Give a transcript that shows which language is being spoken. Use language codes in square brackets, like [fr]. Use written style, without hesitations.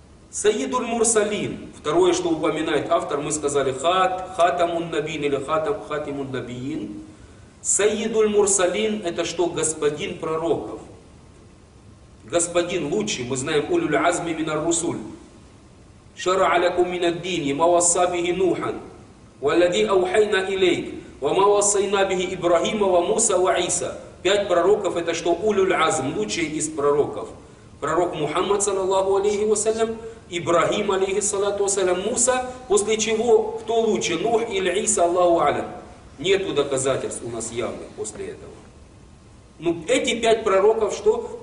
[ru] Саидуль Мурсалин. Второе, что упоминает автор, мы сказали хатамун набиин или хатимун набиин. Саидуль Мурсалин – это что? Господин пророков. Господин лучший, мы знаем, [ar] улюль азми минар русуль. شرع لكم من الدين ما وصى به نوحا والذي اوحينا اليك وما وصينا به ابراهيم وموسى وعيسى. [ru] Пять пророков — это что? Улюль азм, лучшие из пророков. Пророк Мухаммад, саллаллаху алейхи вассалям, Ибрахим, алейхи салату вассалям, Муса, после чего кто лучше? Нух или Иса, Аллаху алям. Нету доказательств у нас явных после этого. Ну, эти пять пророков что?